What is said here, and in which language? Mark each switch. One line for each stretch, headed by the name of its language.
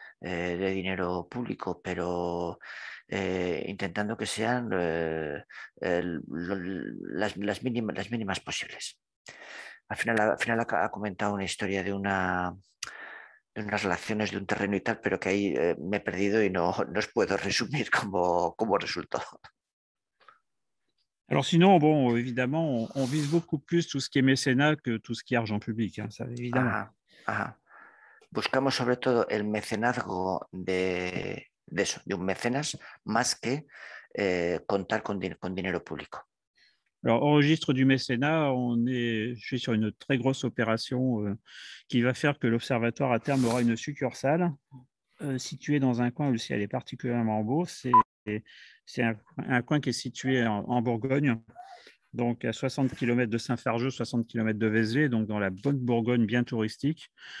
Spanish: de dinero público, pero intentando que sean las mínimas posibles. Al final ha comentado una historia de unas relaciones de un terreno y tal, pero que ahí me he perdido y no os puedo resumir cómo resultó.
French: Alors sinon, bon, évidemment, on vise beaucoup plus tout ce qui est mécénat que tout ce qui est argent public, hein, ça, évidemment. Ah.
Spanish: Buscamos sobre todo el mecenazgo de eso, de un mecenas, más que contar con dinero público.
French: Alors, au registre du mécénat, je suis sur une très grosse opération qui va faire que l'Observatoire à terme aura une succursale située dans un coin où le ciel est particulièrement beau. C'est un coin qui est situé en Bourgogne, donc à 60 km de Saint-Fargeux, 60 km de Vézelay, donc dans la bonne Bourgogne bien touristique.